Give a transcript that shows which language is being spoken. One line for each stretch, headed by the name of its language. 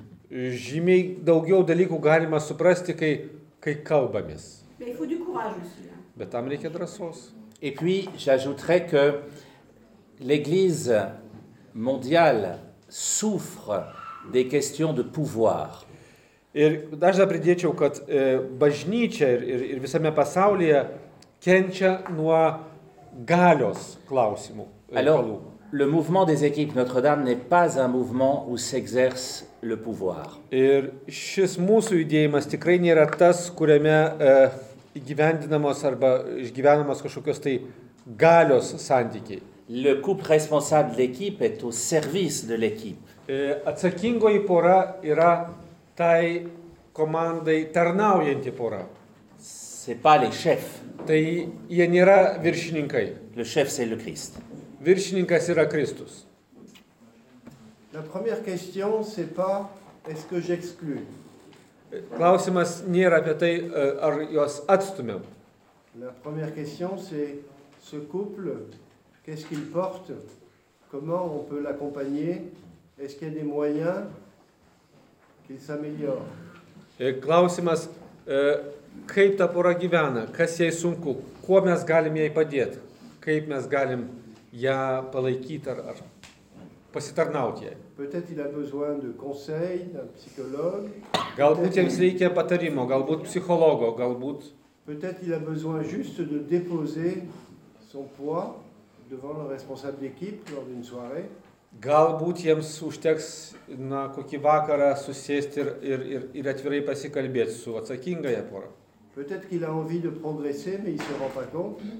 Lithuanian: Žymiai daugiau dalykų galima suprasti, kai kalbamės. Bet tam reikia drąsos.
French: Et puis j'ajouterai que l'église mondiale souffre des questions de pouvoir.
Lithuanian: Ir aš dar pridėčiau, kad bažnyčia ir visame pasaulyje kenčia nuo galios klausimų.
French: Alors, le mouvement des équipes Notre-Dame n'est pas un mouvement où s'exerce le pouvoir.
Lithuanian: Ir šis mūsų judėjimas tikrai nėra tas, kuriame įgyvendinamos arba išgyvenamos kažkokios tai galios santykiai.
French: Le couple responsable de l'équipe est au service de l'équipe.
Lithuanian: Atsakingoji pora yra tai komandai tarnaujanti pora.
French: C'est pas les chefs.
Lithuanian: Tai jie nėra viršininkai.
French: Le chef c'est le Christ.
Lithuanian: Viršininkas yra Kristus.
French: La première question c'est pas est-ce que j'exclus.
Lithuanian: Klausimas nėra apie tai ar juos atstumiam.
French: La première question c'est ce couple qu'est-ce qu'il porte? Comment on peut l'accompagner? Est-ce qu'il y a des moyens qu'il s'améliore?
Lithuanian: Klausimas, kaip ta pora gyvena? Kas jai sunku? Kuo mes galim jai padėti? Kaip mes galim ją palaikyti ar pasitarnauti jai?
French: Peut-être il a besoin de conseils, d'un psychologue.
Lithuanian: Galbūt jiems reikia patarimo, galbūt psichologo, galbūt.
French: Peut-être il a besoin juste de déposer son poids devant le responsable d'équipe lors d'une soirée.
Lithuanian: Galbūt jiems užteks na kokį vakarą susėsti ir atvirai pasikalbėti su atsakingaja pora.
French: Peut-être qu'il a envie de progresser mais il se rend pas compte.